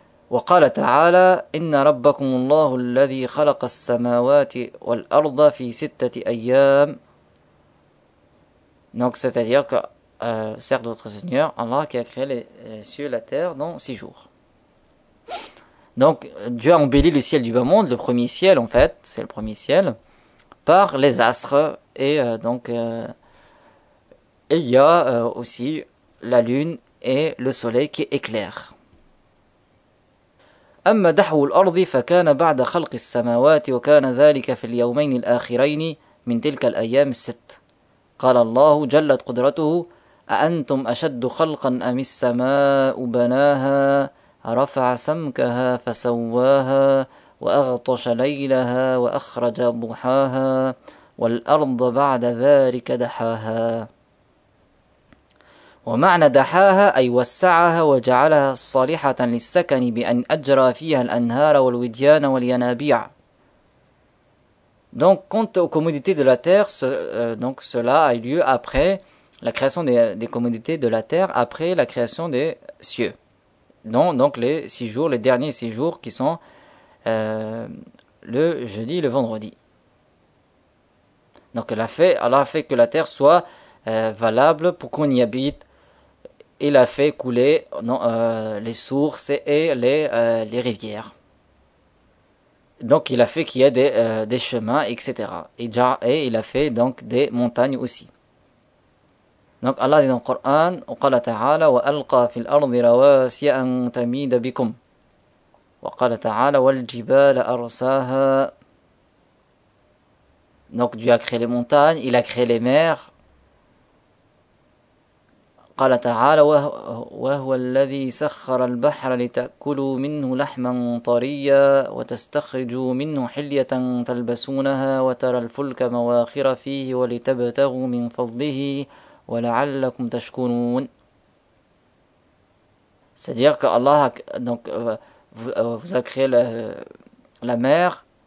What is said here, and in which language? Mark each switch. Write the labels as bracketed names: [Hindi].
[Arabic] وقال تعالى إن ربكم الله الذي خلق السماوات والأرض في ستة أيام. [French] Donc c'est-à-dire que certes votre Seigneur Allah qui a créé les cieux et la terre dans six jours. Donc Dieu a embelli le ciel du bas monde, le premier ciel en fait, c'est le premier ciel, par les astres et il y a aussi la lune et le soleil qui éclairent. [Arabic] أما دحو الأرض فكان بعد خلق السماوات وكان ذلك في اليومين الآخرين من تلك الأيام الست. قال الله جلت قدرته أأنتم أشد خلقا أم السماء بناها رفع سمكها فسواها وأغطش ليلها وأخرج ضحاها والأرض بعد ذلك دحاها. ومعنى دحاها أي وسعها وجعلها صالحة للسكن بأن أجرى فيها الأنهار والوديان والينابيع. [French] Donc quant aux commodités de la terre, donc cela a eu lieu après la création des commodités de la terre, après la création des cieux. Donc les six jours, les derniers six jours qui sont le jeudi et le vendredi. Donc Allah a fait que la terre soit valable pour qu'on y habite. Il a fait couler les sources et les rivières. Donc, il a fait qu'il y ait des chemins, etc. Et il a fait donc des montagnes aussi. Donc, Allah dit dans le Coran, « [Arabic] وَقَالَ تَعَالَى وَأَلْقَى فِي الْأَرْضِ رَوَاسِيَ أَنْ تَمِيدَ بِكُمْ وَقَالَ تَعَالَى وَالْجِبَالَ أَرْسَاهَا. [French] » Donc, Dieu a créé les montagnes, il a créé les mers. [Arabic] قال تعالى وهو الذي سخر البحر لتأكلوا منه لحما طريا وتستخرجوا منه حلية تلبسونها وترى الفلك مواخر فيه ولتبتغوا من فضله ولعلكم تشكرون. [French] C'est-à-dire que Allah vous a créé la mer.